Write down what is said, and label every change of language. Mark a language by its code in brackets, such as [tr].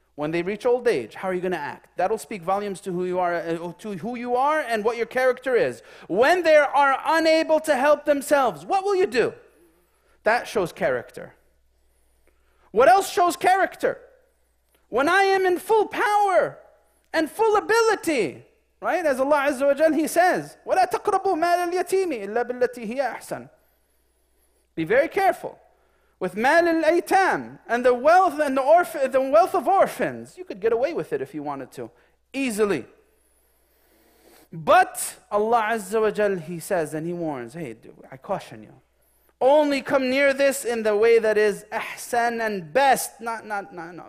[en] When they reach old age, how are you going to act? That'll speak volumes to who you are, and what your character is. When they are unable to help themselves, what will you do? That shows character. What else shows character? When I am in full power and full ability, right? As Allah Azza wa Jalla, He says, [ar] وَلَا تَقْرَبُوا مَالَ الْيَتِيمِ إِلَّا بِالَّتِي هِيَ أَحْسَنُ. [en] Be very careful with mal al-aytam, and the wealth and the wealth of orphans. You could get away with it if you wanted to, easily. But Allah Azza wa Jal, He says and He warns, hey, I caution you. Only come near this in the way that is ahsan and best. No.